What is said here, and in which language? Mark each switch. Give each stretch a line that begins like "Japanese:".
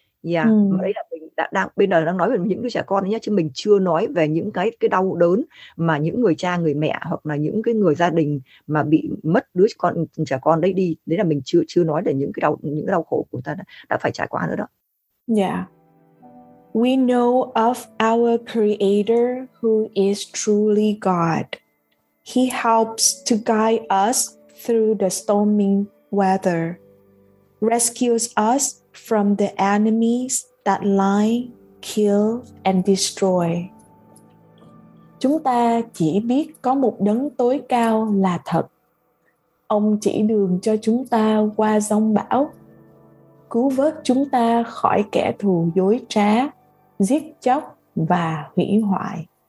Vietnamese: Mà đây là mình đang bên đời đang nói về những đứa trẻ con nhé, chứ mình chưa nói về những cái đau đớn mà những người cha người mẹ hoặc là những cái người gia đình mà bị mất đứa con trẻ con đấy đi. Đấy là mình chưa chưa nói về những cái đau, những cái đau khổ của ta đã phải trải qua nữa đó.
English: We know of our Creator who is truly God. He helps to guide us through the stormy weather, rescues us from the enemies that lie, kill and destroy.
Vietnamese: Chúng ta chỉ biết có một đấng tối cao là thật. Ông chỉ đường cho chúng ta qua giông bão, cứu vớt chúng ta khỏi kẻ thù dối trá, giết chóc và hủy hoại.